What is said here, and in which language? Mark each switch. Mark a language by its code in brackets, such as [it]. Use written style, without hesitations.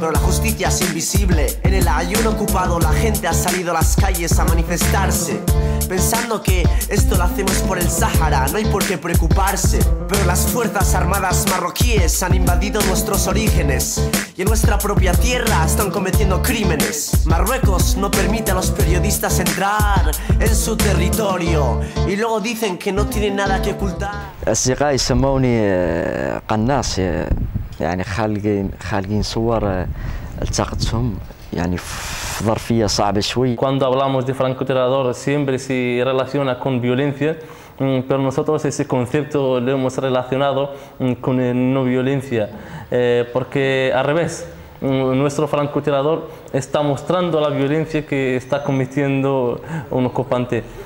[es] Pero la justicia es invisible. En el Aiun ocupado la gente ha salido a las calles a manifestarse, pensando que esto lo hacemos por el Sahara, no hay por qué preocuparse. Pero las fuerzas armadas marroquíes han invadido nuestros orígenes y en nuestra propia tierra están cometiendo crímenes. Marruecos no permite a los periodistas entrar en su territorio y luego dicen que no tienen nada que ocultar. [ar] أصدقائي سموني قناص يعني خالقين صور التقطتهم يعني ظرفيه صعبه شوي. [es] Cuando hablamos de francotirador siempre se relaciona con violencia, pero nosotros ese concepto lo hemos relacionado con no violencia, porque al revés, nuestro francotirador está mostrando la violencia que está cometiendo un ocupante.